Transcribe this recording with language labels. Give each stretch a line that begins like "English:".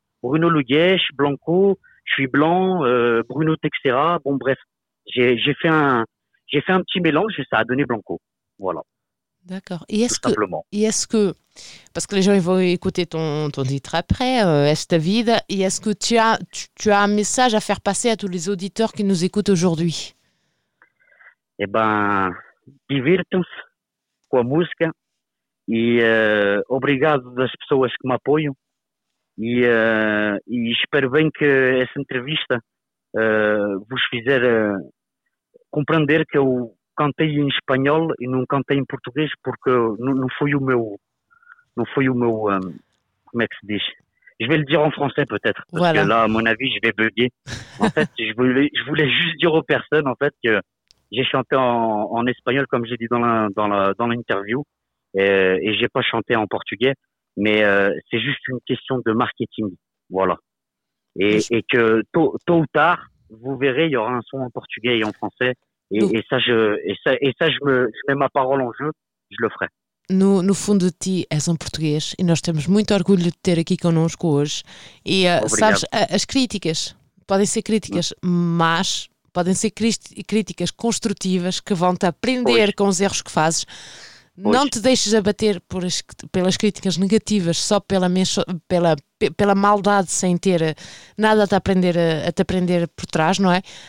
French: Bruno Lugesch, Blanco, je suis blanc, Bruno Texera, bon bref, j'ai fait un petit mélange et ça a donné Blanco, voilà. D'accord, et est-ce que, parce que les gens ils vont écouter ton titre après, Esta Vida, et est-ce que tu as un message à faire passer à tous les auditeurs qui nous écoutent aujourd'hui ?
Portuguese: Eh ben, divirtam-se com a música, e obrigado das pessoas que me apoiam. E espero bem que essa entrevista vos fizer compreender que eu cantei em espanhol e não cantei em português porque não foi o meu, como é que se diz?
French: Je vais le dire en français peut-être, parce que là, à mon avis, je vais bugger. En fait, je voulais juste dire aux personnes en fait, que j'ai chanté en espagnol, comme j'ai dit dans l'interview, et j'ai pas chanté en portugais. Mais c'est juste une question de marketing, voilà. Et que tôt ou tard, vous verrez, il y aura un son en portugais et en français. Et ça, je mets ma parole en jeu, je le ferai.
Portuguese: No fundo de ti, és um português. E nós temos muito orgulho de ter aqui connosco hoje. E sabes, as críticas podem ser críticas, mas podem ser críticas construtivas que vão te aprender com os erros que fazes. Pois. Não te deixes abater pelas críticas negativas, só pela maldade, sem ter nada a te aprender por trás, não é?